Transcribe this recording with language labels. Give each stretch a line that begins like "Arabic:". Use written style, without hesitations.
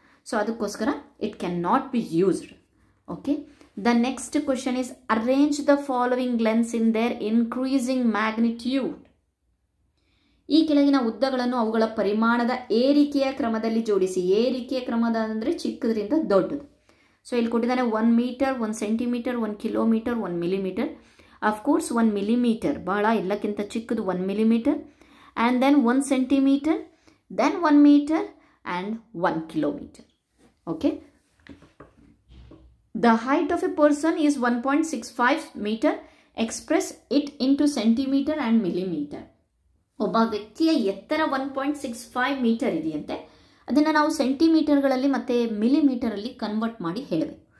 English: So ಅದಕ್ಕೋಸ್ಕರ it can not be used. Okay, the next question is arrange the following lengths in their increasing magnitude.
Kannada: ಈ ಕೆಳಗಿನ ಉದ್ದಗಳನ್ನು ಅವುಗಳ ಪರಿಮಾಣದ ಏರಿಕೆಯ ಕ್ರಮದಲ್ಲಿ ಜೋಡಿಸಿ. ಏರಿಕೆಯ ಕ್ರಮದ ಅಂದರೆ ಚಿಕ್ಕದ್ರಿಂದ ದೊಡ್ಡದು. ಸೊ ಇಲ್ಲಿ ಕೊಟ್ಟಿದ್ದಾರೆ 1 meter, 1 centimeter, 1 kilometer, 1 millimeter.
English: of course 1 millimeter
Kannada: ಬಹಳ ಎಲ್ಲಕ್ಕಿಂತ ಚಿಕ್ಕದು
English: 1 millimeter, and then 1 centimeter, then 1 meter and 1 kilometer. Okay, the height of a person is 1.65 meter. Express it into centimeter and millimeter.
Kannada: ಒಬ್ಬ ವ್ಯಕ್ತಿಯ ಎತ್ತರ 1.65 meter ಇದೆಯಂತೆ, ಅದನ್ನು ನಾವು ಸೆಂಟಿಮೀಟರ್ಗಳಲ್ಲಿ ಮತ್ತು ಮಿಲಿಮೀಟರಲ್ಲಿ ಕನ್ವರ್ಟ್ ಮಾಡಿ ಹೇಳಿದೆ.